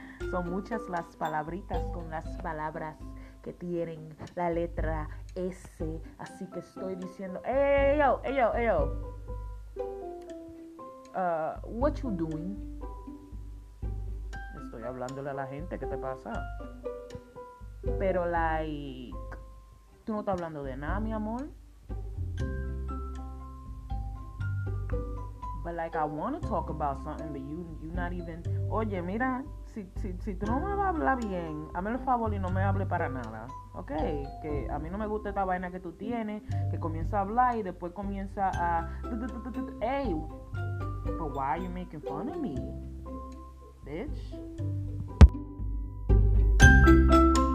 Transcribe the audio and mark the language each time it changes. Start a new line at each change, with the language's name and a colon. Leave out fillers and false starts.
Spanish: Son muchas las palabritas con las palabras que tienen la letra S, así que estoy diciendo,
English: hey, yo, what you doing?
Spanish: Estoy hablándole a la gente, ¿qué te pasa? Pero, like, tú no estás hablando de nada, mi amor.
English: But, like, I want to talk about something, but you not even...
Spanish: Oye, mira, si tú no me vas a hablar bien, hazme el favor y no me hable para nada, ¿ok? Que a mí no me gusta esta vaina que tú tienes, que comienza a hablar y después comienza a...
English: Hey, but why are you making fun of me, bitch?